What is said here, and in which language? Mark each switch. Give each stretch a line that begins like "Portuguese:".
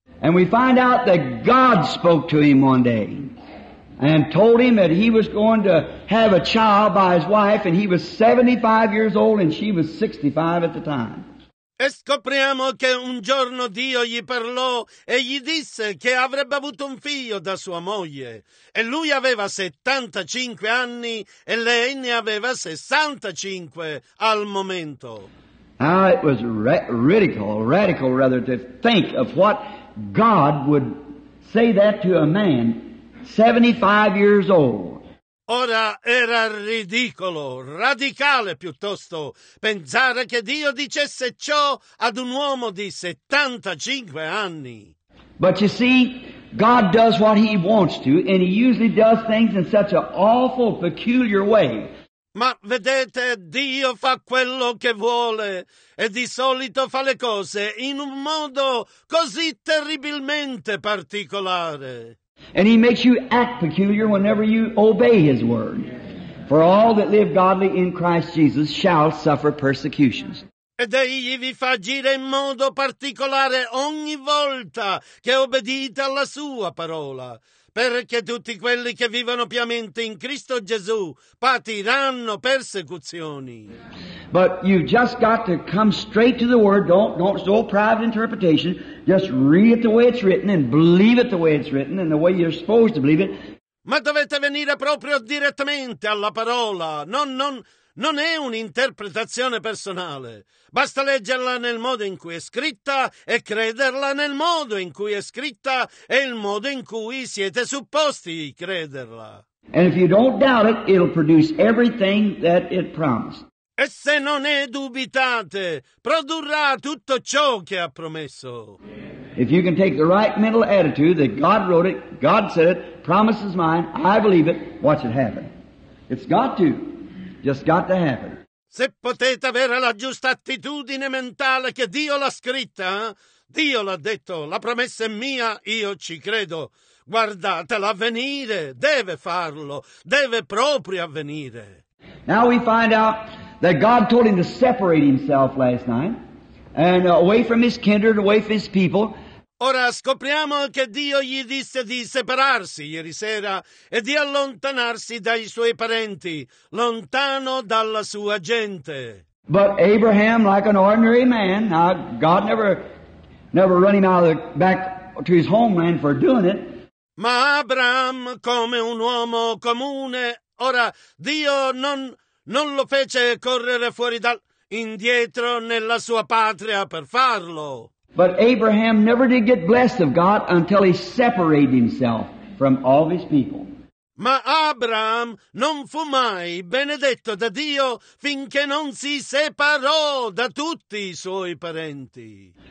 English: And we find out that God spoke to him one day and told him that he was going to have a child by his wife, and he was 75 years old and she was 65 at the time.
Italian: E scopriamo che un giorno Dio gli parlò e gli disse che avrebbe avuto un figlio da sua moglie, e lui aveva 75 anni e lei ne aveva 65 al momento.
English: Now it was radical to think of what God would say that to a man 75 years old.
Italian: Ora era ridicolo, radicale piuttosto, pensare che Dio dicesse ciò ad un uomo di 75 anni.
English: But you see, God does what he wants to, and he usually does things in such an awful, peculiar way.
Italian: Ma vedete, Dio fa quello che vuole, e di solito fa le cose in un modo così terribilmente particolare.
English: And he makes you act peculiar whenever you obey his word. For all that live godly in Christ Jesus shall suffer persecutions.
Italian: Ed egli vi fa agire in modo particolare ogni volta che obbedite alla sua parola, perché tutti quelli che vivono piamente in Cristo Gesù patiranno persecuzioni.
English: But you've just got to come straight to the word. Don't do private interpretation. Just read it the way it's written and believe it the way it's written and the way you're supposed to believe it.
Italian: Ma dovete venire proprio direttamente alla parola. Non è un'interpretazione personale. Basta leggerla nel modo in cui è scritta e crederla nel modo in cui è scritta e il modo in cui siete supposti crederla.
English: And if you don't doubt it, it'll produce everything that it promised.
Italian: E se non ne dubitate, produrrà tutto ciò che ha promesso.
English: If you can take the right mental attitude that God wrote it, God said it, promise is mine, I believe it, watch it happen. It's got to. Just got to happen.
Italian: Se potete avere la giusta attitudine mentale che Dio l'ha scritta, Dio l'ha detto, la promessa è mia, io ci credo. Guardatela avvenire, deve farlo, deve proprio avvenire.
English: Now we find out that God told him to separate himself last night and away from his kindred, away from his people.
Italian: Ora scopriamo che Dio gli disse di separarsi ieri sera e di allontanarsi dai suoi parenti, lontano dalla sua gente.
English: But Abraham, like an ordinary man, now God never run him out of back to his homeland for doing it.
Italian: Ma Abraham, come un uomo comune, ora Dio non lo fece correre fuori indietro nella sua patria per farlo.
English: But Abraham never did get blessed of God until he separated himself from all his people.
Italian: Ma Abraham non fu mai benedetto da Dio finché non si separò da tutti i suoi parenti.